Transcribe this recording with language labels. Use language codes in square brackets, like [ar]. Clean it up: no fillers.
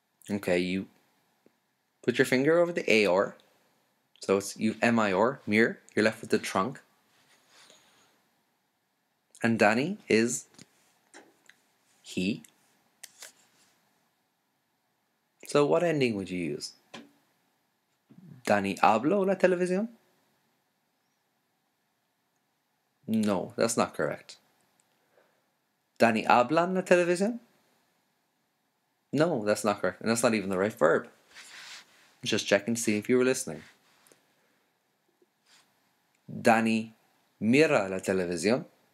[en] Okay, you put your finger over the A-O-R. So it's M-I-O-R, mirror. You're left with the trunk. And Danny is he. So what ending would you use? [es] Danny habló la televisión? [en] No, that's not correct. [es] Danny hablan la televisión? [en] No, that's not correct. And that's not even the right verb. Just checking to see if you were listening. [es] Dani mira la televisión.